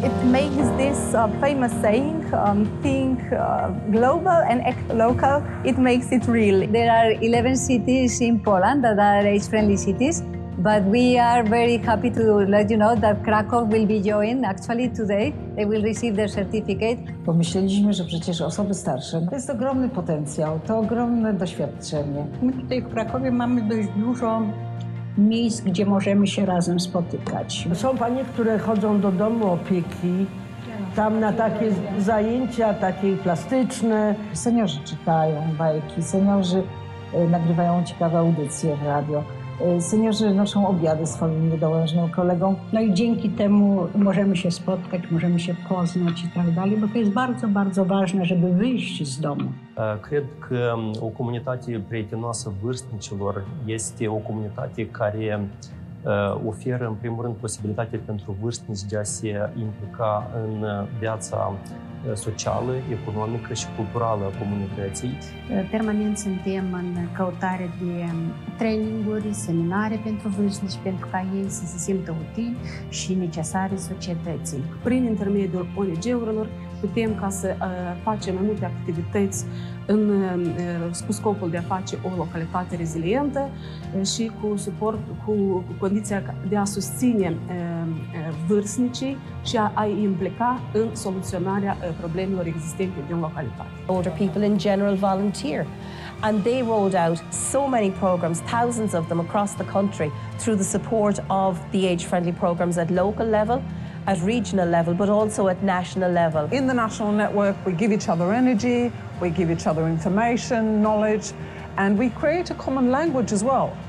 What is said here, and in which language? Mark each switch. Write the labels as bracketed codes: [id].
[en] It makes this famous saying, think global and act local, it makes it real. There are 11 cities in Poland that are age-friendly cities, but we are very happy to let you know that Krakow will be joined actually today. They will receive their certificate. [pl] Pomyśleliśmy, że przecież osoby starsze to jest ogromny potencjał, to ogromne doświadczenie. My tutaj w Krakowie mamy dość dużo miejsc, gdzie możemy się razem spotykać. Są panie, które chodzą do domu opieki, tam na takie zajęcia, takie plastyczne. Seniorzy czytają bajki, seniorzy nagrywają ciekawe audycje w radio. Seniorzy noszą obiady swoim niedołężnym kolegom. No i dzięki temu możemy się spotkać, możemy się poznać i tak dalej, bo to jest bardzo, bardzo ważne, żeby wyjść z domu. [ro] Cred că o comunitate prietenoasă vârstnicilor este o comunitate care oferă, în primul rând, posibilitate pentru vârstnici de a se implica în viața socială, economică și culturală a comunității. Permanent suntem în căutare de traininguri, seminare pentru vârstnici, pentru ca ei să se simtă utili și necesare societății. Prin intermediul ONG-urilor putem ca să facem mai multe activități în cu scopul de a face o localitate rezilientă și cu suport, cu condiția de a susține vârstnicii și a implica în soluționarea problemelor existente din localitate. [en] Older people in general volunteer. And they rolled out so many programs, thousands of them across the country, through the support of the age-friendly programs at local level, at regional level, but also at national level. In the national network, we give each other energy, we give each other information, knowledge, and we create a common language as well.